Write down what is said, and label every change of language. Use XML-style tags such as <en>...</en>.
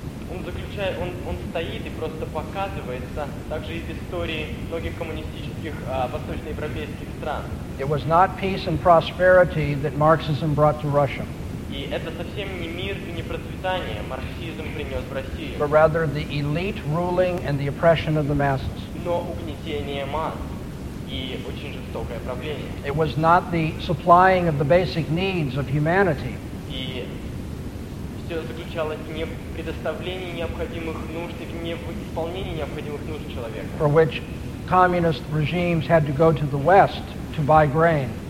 <ru>Он стоит и просто показывается также из истории многих коммунистических восточноевропейских стран.</ru> <en>It was not peace and prosperity that Marxism brought to Russia.</en> <ru>И это совсем не мир и не процветание марксизм принес в Россию.</ru> <en>But rather the elite ruling and the oppression of the masses.</en> <ru>Но угнетение масс и очень жестокое правление.</ru> <en>It was not the supplying of the basic needs of humanity.</en> <ru>И все заключалось не в предоставлении необходимых нужд и не в исполнении необходимых нужд человека.</ru> <en>For which communist regimes had to go to the West to buy grain.</en>